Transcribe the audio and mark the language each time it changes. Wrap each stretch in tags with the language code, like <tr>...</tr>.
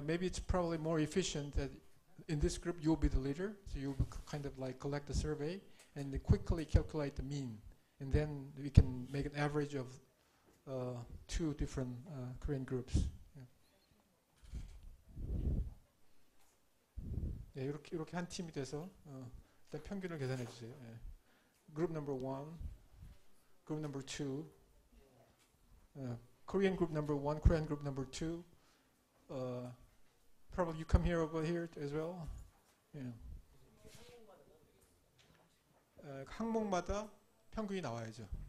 <en>Maybe it's probably more efficient that in this group you'll be the leader, so you'll kind of like collect the survey and quickly calculate the mean, and then we can make an average of two different Korean groups. Yeah.</en> <ko>예, 이렇게 한 팀이 돼서 일단 평균을 계산해 주세요. 예.</ko> <en>Group number one, group number two, Korean group number one, Korean group number two. Probably you come here over here as well. Yeah.</en> <ko>항목마다 평균이 나와야죠.</ko>